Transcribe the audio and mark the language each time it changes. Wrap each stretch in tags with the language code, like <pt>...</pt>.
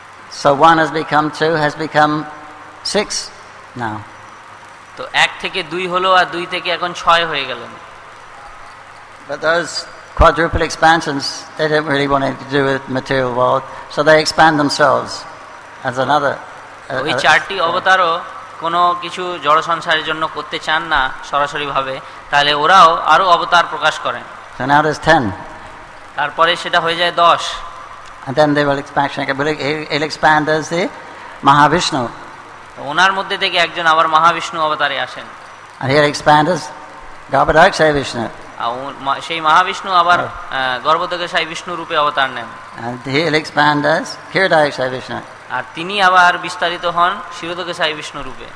<en>So one has become two, has become six. Now</en> <bn>to ek theke 2 holo ar 2 theke ekon 6 hoye gelen</bn> <en>but those quadruple expansions they didn't really want to do with material world so they expand themselves as another</en> <bn>ওই চারটি অবতারও কোনো কিছু জড় সংসারের জন্য করতে চান না সরাসরি ভাবে তাহলে ওরাও আরো অবতার প্রকাশ করেন</bn> <en>so now there's 10</en> <bn>তারপরে সেটা হয়ে যায় 10</bn> <en>and then they will expansion he'll expand as the Mahavishnu</en> <bn>ওনার মধ্যে থেকে একজন আবার মহাবিষ্ণু অবতারে আসেন</bn> <en>আর here expands গর্ভদক্ষ বিষ্ণু</en> <bn>আর সেই মহাবিষ্ণু আবার গর্ভদক্ষ সাই বিষ্ণু রূপে অবতার নেন</bn> <en>আর here expands ক্ষীরদক্ষ সাই বিষ্ণু</en> <bn>আর তিনি আবার বিস্তারিত হন ক্ষীরদক্ষ সাই বিষ্ণু রূপে</bn>